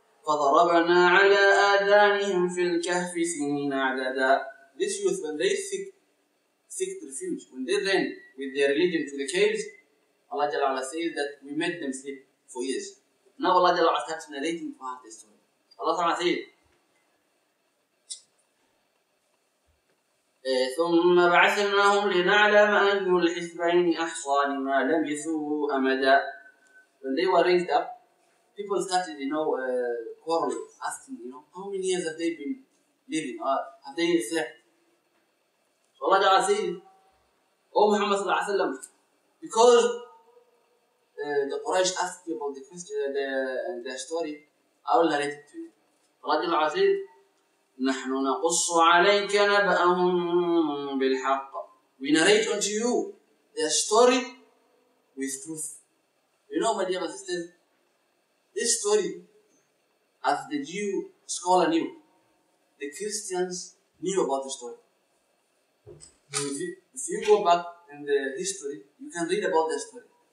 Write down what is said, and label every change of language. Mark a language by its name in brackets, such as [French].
[Arabic] فَضَرَبَنَا عَلَىٰ آذَانِهِمْ فِي الْكَهْفِ سِنِينَ عَدَدًا. [English] This youth, when they seek refuge, when they ran with their religion to the caves, Allah Jalla wa'ala says that we made them sleep for years. Now Allah Jalla wa'ala starts narrating part of this story. Allah Ta'ala says, [Arabic] ثم بعثناهم لنعلم أن الحسبين أحصى لما لبثوا أمدا. [English] When they were raised up, people started, you know, quarreling, asking, you know, how many years have they been living? Have they slept? So Allah Ta'ala said, O Muhammad Sallallahu Alaihi Wasallam, because the Quraysh asked you about the question and the story, I will narrate it to you. Allah Ta'ala said, [Arabic] نحن نقص عليك نبأهم بالحق. [English] We narrate unto you their story with truth. You know, my dear sisters, this story, as the Jew scholar knew, the Christians knew about the story. If you go back in the history, you can read about the story.